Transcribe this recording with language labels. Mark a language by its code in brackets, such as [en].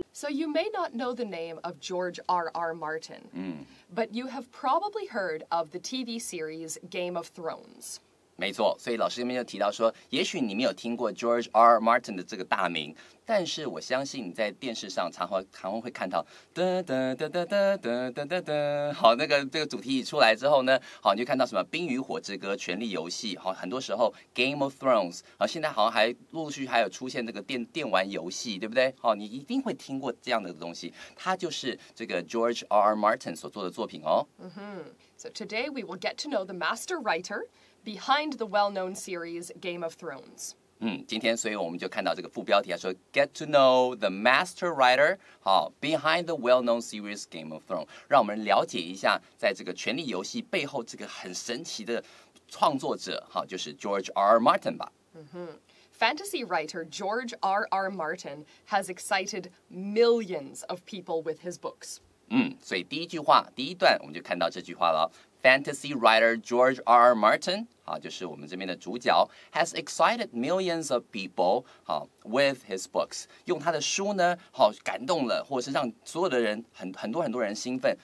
[en] You may not know the name of George R.R. Martin, but you have probably heard of the TV series Game of Thrones. [zh] 没错，所以老师这边就提到说，也许你没有听过 George R. Martin 的这个大名，但是我相信你在电视上常常会看到哒哒哒哒哒哒哒哒哒，好，这个主题一出来之后呢，好，你就看到什么《冰与火之歌》《权力游戏》，好，很多时候 Game of Thrones， 好，现在好像还陆续还有出现这个电玩游戏，对不对？好，你一定会听过这样的东西，它就是这个 George R. Martin 所做的作品哦。 [en] So today we will get to know the master writer behind the well-known series Game of Thrones. [zh] 今天所以我们就看到这个副标题，说 [en] Get to know the master writer, 好 behind the well-known series Game of Thrones, [zh] 让我们了解一下在这个权力游戏背后这个很神奇的创作者，好，就是 George R. Martin 吧。 [en] Fantasy writer George R. R. Martin has excited millions of people with his books. [zh] 所以第一句话，第一段我们就看到这句话了。 [en] Fantasy writer George R. Martin, [zh] 好，就是我们这边的主角 [en] has excited millions of people, 好 with his books. [zh] 用他的书呢，好，感动了，或是让所有的人 很多很多人兴奋。